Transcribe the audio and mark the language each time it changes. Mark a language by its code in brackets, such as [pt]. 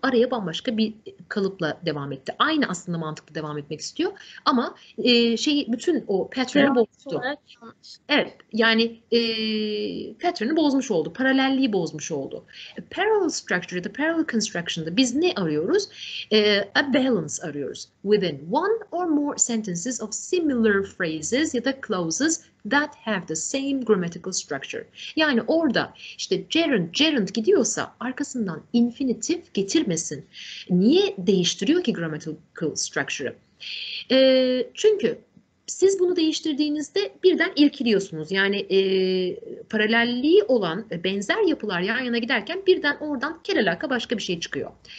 [tr] Araya bambaşka bir kalıpla devam etti. Aynı aslında mantıklı devam etmek istiyor. Ama bütün o pattern'ı bozdu. Evet, yani pattern'ı bozmuş oldu. Paralelliği bozmuş oldu. Parallel structure ya da parallel construction'da biz ne arıyoruz? A balance arıyoruz. [en] Within one or more sentences of similar phrases [tr] ya da [en] clauses that have the same grammatical structure. [tr] Yani orada işte gerund gidiyorsa arkasından infinitive getirmesin. Niye değiştiriyor ki grammatical structure'ı? Çünkü siz bunu değiştirdiğinizde birden irkiliyorsunuz. Yani paralelliği olan benzer yapılar yan yana giderken birden oradan kerelaka başka bir şey çıkıyor.